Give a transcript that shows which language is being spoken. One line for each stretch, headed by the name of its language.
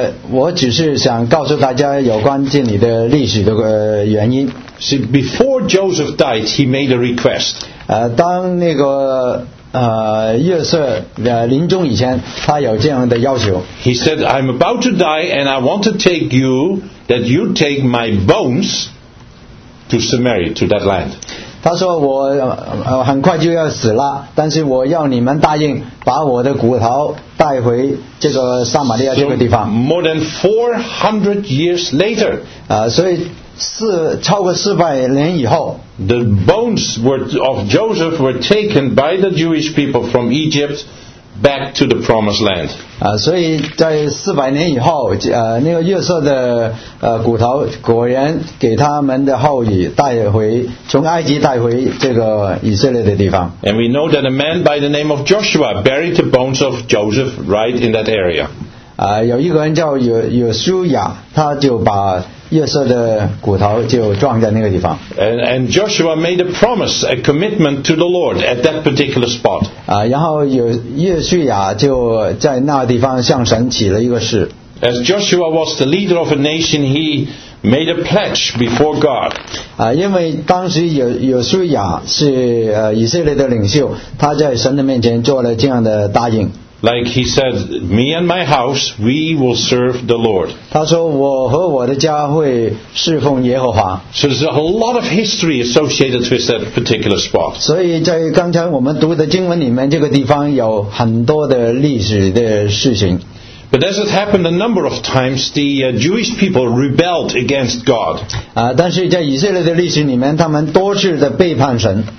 Chinese: 我只是想告诉大家有关这里的历史的原因。
English: See, before Joseph died, he made a request.
Chinese: 当那个约瑟临终以前，他有这样的要求。
English: He said, "I'm about to die, and I want to take you that you take my bones to Samaria, to that land."
Chinese: 他说我很快就要死了，但是我要你们答应把我的骨头带回这个撒玛利亚这个地方。
English: So, more than 400 years later.
Chinese: 所以。超过四百年以后
English: the bones of Joseph were taken by the Jewish people from Egypt back to the promised land.
Chinese: 所以在四百年以后，那个约瑟的骨头果然给他们的后裔带回，从埃及带回这个以色列的地方。
English: And we know that a man by the name of Joshua buried the bones of Joseph right in that area.
Chinese: 有一个人叫约书亚，他就把约瑟的骨头就撞在那个地方。
English: And Joshua made a promise, a commitment to the Lord at that particular spot.
Chinese: 然后约书亚就在那地方向神起了一个誓。
English: As Joshua was the leader of a nation, he made a pledge before God.
Chinese: 因为当时约书亚是以色列的领袖，他在神的面前做了这样的答应。
English: Like he said, "Me and my house, we will serve the Lord."
Chinese: 他说我和我的家会侍奉耶和华。
English: So there's a lot of history associated with that particular spot.
Chinese: 所以在刚才我们读的经文里面，这个地方有很多的历史的事情。
English: But as it happened a number of times, the Jewish people rebelled against God.
Chinese: 但是在以色列的历史里面，他们多次的背叛神。